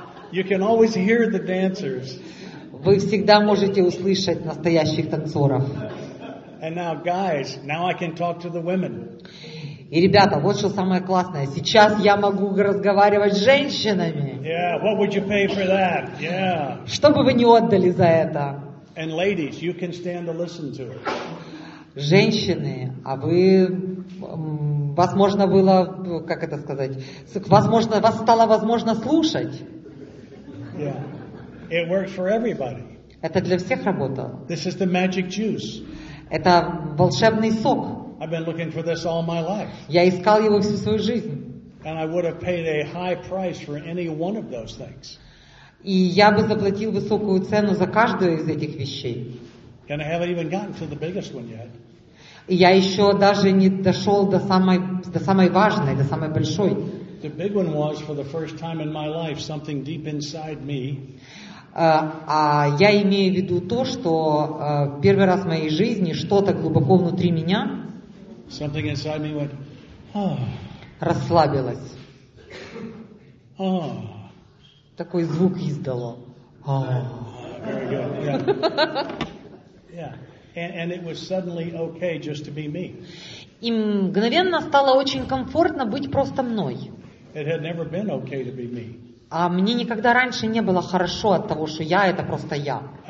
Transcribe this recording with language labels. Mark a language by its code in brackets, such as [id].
[en] You can always hear the dancers. [ru] Вы всегда можете услышать настоящих танцоров. [en] And now, guys, now I can talk to the women. [ru] И, ребята, вот что самое классное. Сейчас я могу разговаривать с женщинами. [en] Yeah, what would you pay for that? Yeah. [ru] Что бы вы не отдали за это? [en] And ladies, you can stand to listen to it. [ru] Женщины, а вы... Возможно было... Как это сказать? Возможно, вас стало возможно слушать. [en] Yeah. It worked for everybody. [ru] Это для всех работало. [en] This is the magic juice. [ru] Это волшебный сок. [en] I've been looking for this all my life. [ru] Я искал его всю свою жизнь. [en] And I would have paid a high price for any one of those things. [ru] И я бы заплатил высокую цену за каждую из этих вещей. [en] And I haven't even gotten to the biggest one yet. [ru] И я еще даже не дошел до самой важной, до самой большой. [en] The big one was for the first time in my life something deep inside me. [ru] А я имею в виду то, что первый раз в моей жизни что-то глубоко внутри меня [en] Something inside me went, oh. [ru] расслабилось. Oh. Такой звук издало. Oh. [en] Very good. Yeah. Yeah. And it was suddenly okay just to be me. [ru] И мгновенно стало очень комфортно быть просто мной. [en] It had never been okay to be me. [ru] А мне никогда раньше не было хорошо от того, что я — это просто я.